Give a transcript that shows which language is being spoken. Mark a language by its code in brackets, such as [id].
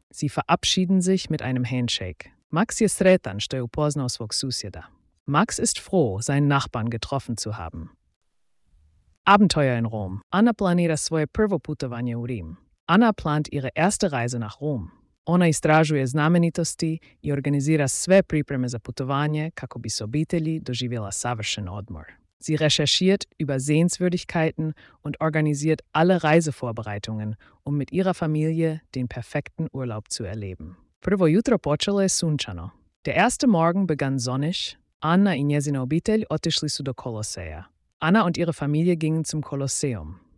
[de] Sie verabschieden sich mit einem Handshake. [hr] Max je sretan što je upoznao svog susjeda. [de] Max ist froh, seinen Nachbarn getroffen zu haben. Abenteuer in Rom. [hr] Anna planira svoje prvo putovanje u Rim. [de] Anna plant ihre erste Reise nach Rom. [hr] Ona istražuje znamenitosti i organizira sve pripreme za putovanje kako bi s obitelji doživjela savršen odmor. [de] Sie recherchiert über Sehenswürdigkeiten und organisiert alle Reisevorbereitungen, um mit ihrer Familie den perfekten Urlaub zu erleben. [hr] Prvo jutro počelo je sunčano. [de] Der erste Morgen begann sonnig, [hr] Anna i njezina obitelj otišli su do Koloseja. [de] Anna und ihre Familie gingen zum Kolosseum.